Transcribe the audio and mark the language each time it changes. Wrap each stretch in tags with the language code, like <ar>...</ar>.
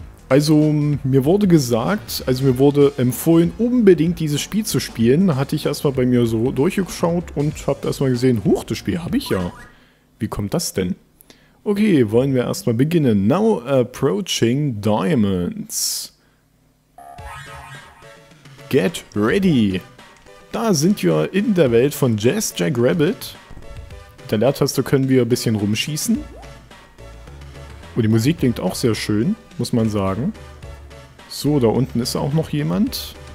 <de>Also, mir wurde gesagt, also mir wurde empfohlen, unbedingt dieses Spiel zu spielen. Hatte ich erstmal bei mir so durchgeschaut und habe erstmal gesehen, huch, das Spiel habe ich ja. Wie kommt das denn? Okay, wollen wir erstmal beginnen.</de> <en>Now approaching diamonds. Get ready.</en> <de>Da sind wir in der Welt von Jazz Jack Rabbit. Mit der Leertaste können wir ein bisschen rumschießen. Oh, die Musik klingt auch sehr schön, muss man sagen. So, da unten ist auch noch jemand.</de>